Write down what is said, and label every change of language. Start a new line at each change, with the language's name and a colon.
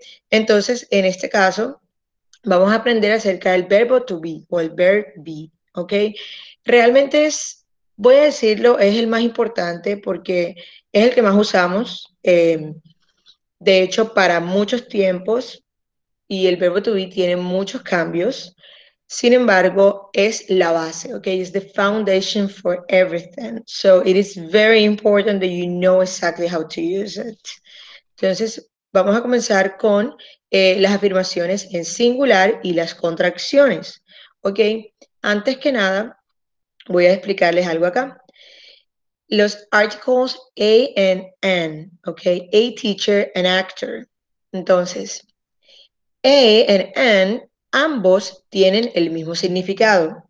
Spanish: Entonces, en este caso, vamos a aprender acerca del verbo to be o el verb be. ¿Ok? Realmente es, voy a decirlo, es el más importante porque es el que más usamos. De hecho, para muchos tiempos, y el verbo to be tiene muchos cambios. Sin embargo, es la base,
English: okay? It's the foundation for everything. So it is very important that you know exactly how to use it.
Spanish: Entonces, vamos a comenzar con las afirmaciones en singular y las contracciones, okay? Antes que nada, voy a explicarles algo acá.
English: Los articles A and N, okay? A teacher and actor.
Spanish: Entonces,
English: A and N,
Spanish: ambos tienen el mismo significado.